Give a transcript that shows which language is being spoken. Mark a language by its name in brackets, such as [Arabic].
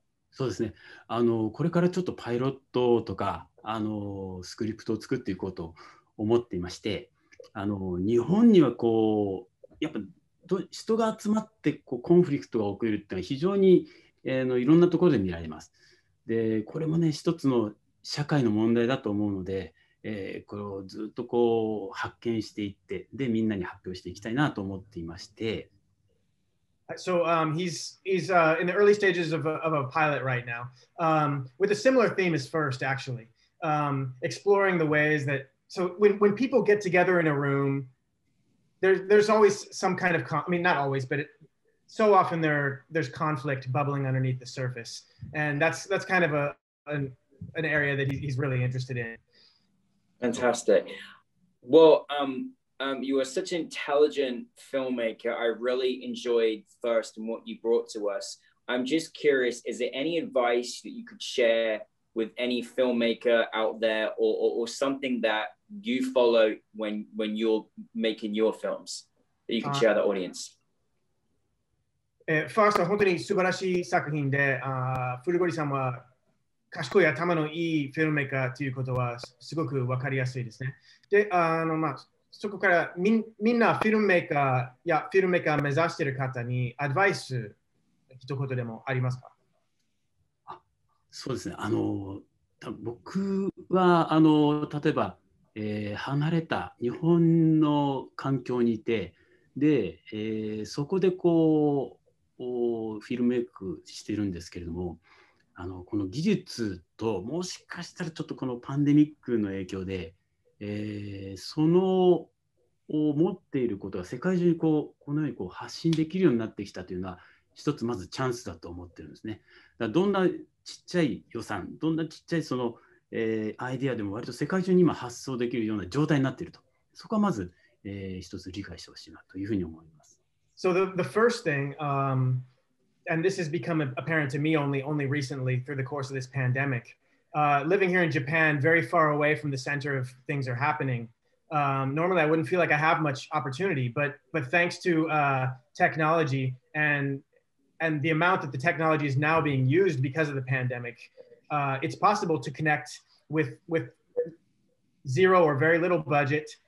[Japanese] そうですね、これからちょっとパイロットとかスクリプトを作っていこうと思っていまして、日本にはこうやっぱ人が集まってこうコンフリクトが起こるっていうのは非常に、いろんなところで見られます。でこれもね、一つの社会の問題だと思うので、これをずっとこう発見していって、でみんなに発表していきたいなと思っていまして。 [English] So he's in the early stages of a pilot right now, with a similar theme as FIRST, actually, exploring the ways that, so when people get together in a room, there's always some kind of, so often there's conflict bubbling underneath the surface. And that's kind of an area that he's really interested in. Fantastic. Well, you are such an intelligent filmmaker. I really enjoyed FIRST and what you brought to us. I'm just curious, is there any advice that you could share with any filmmaker out there or something that you follow when you're making your films that you can share the audience? [Japanese] FIRST は本当に素晴らしい作品で、フルゴリさんは賢い頭のいいフィルメーカーということはすごく分かりやすいですね。で、そこからみんなフィルメーカーやフィルメーカー目指している方にアドバイス一言でもありますか？そうですね。僕は例えば、離れた日本の環境にいて、で、そこでこうフィルメイクしてるんですけれども、この技術ともしかしたらちょっとこのパンデミックの影響で、その持っていることが世界中にこうこのようにこう発信できるようになってきたというのは一つまずチャンスだと思ってるんですね。だどんなちっちゃい予算、どんなちっちゃいその、アイデアでも割と世界中に今発想できるような状態になっていると、そこはまず、一つ理解してほしいなというふうに思います。 [English] So the first thing, and this has become apparent to me only recently through the course of this pandemic, living here in Japan, very far away from the center of things are happening. Normally, I wouldn't feel like I have much opportunity, but thanks to technology and the amount that the technology is now being used because of the pandemic, it's possible to connect with zero or very little budget.